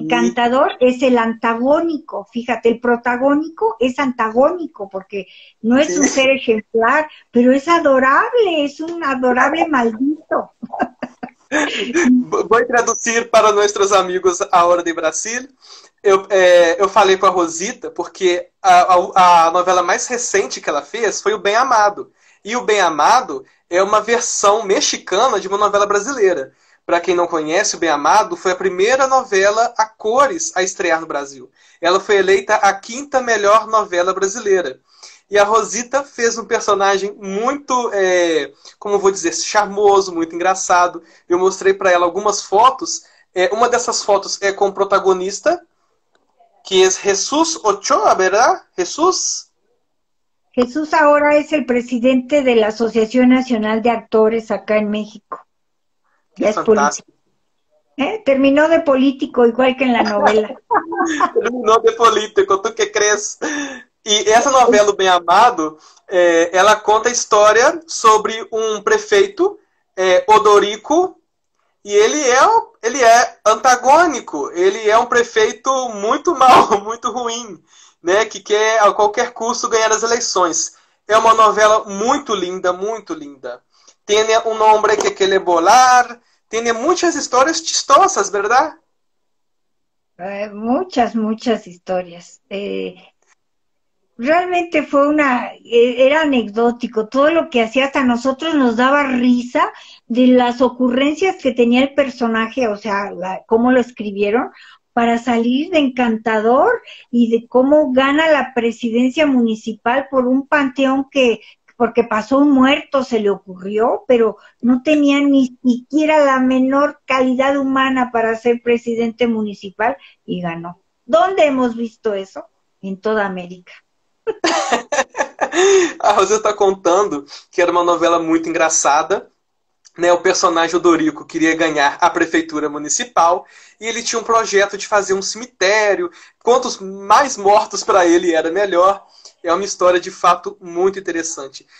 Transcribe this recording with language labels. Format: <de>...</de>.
<es>encantador es el antagónico. Fíjate, el protagónico es antagónico porque no es un ser sí. ejemplar, pero es adorable, es un adorable maldito. Voy a traducir para nuestros amigos ahora de Brasil.</es> <pt>Eu falei com a Rosita porque a novela mais recente que ela fez foi O Bem Amado. E O Bem Amado é uma versão mexicana de uma novela brasileira. Para quem não conhece, O Bem Amado foi a primeira novela a cores a estrear no Brasil. Ela foi eleita a quinta melhor novela brasileira. E a Rosita fez um personagem muito, como vou dizer, charmoso, muito engraçado. Eu mostrei para ela algumas fotos. Uma dessas fotos é com o protagonista, que é Jesus Ochoa,</pt> <es>¿verdad?</es> <pt>Jesus?</pt> <es>Jesús ahora es el presidente de la Asociación Nacional de Actores acá en México. Qué Ya es político. fantástico. ¿Eh? Terminó de político igual que en la novela.</es> <pt>Terminou de político,</pt> <es>¿tú qué crees?</es> <pt>E essa novela, O Bem Amado, ela conta a história sobre um prefeito, Odorico, e ele é antagônico, ele é um prefeito muito mau, muito ruim, né, que quer a qualquer custo ganhar as eleições. É uma novela muito linda, muito linda. Tem um nome que quer volar, tem muitas histórias chistosas, verdade?</pt> <es>Muchas, muchas historias. Realmente fue era anecdótico. Todo lo que hacía hasta nosotros nos daba risa de las ocurrencias que tenía el personaje, o sea, cómo lo escribieron para salir de encantador y de cómo gana la presidencia municipal por un panteón porque pasó un muerto, se le ocurrió, pero no tenía ni siquiera la menor calidad humana para ser presidente municipal y ganó. ¿Dónde hemos visto eso? En toda América.</es> <pt>A Rosita está contando que era uma novela muito engraçada, né? O personagem Odorico queria ganhar a prefeitura municipal e ele tinha um projeto de fazer um cemitério. Quantos mais mortos para ele era melhor. É uma história de fato muito interessante.</pt>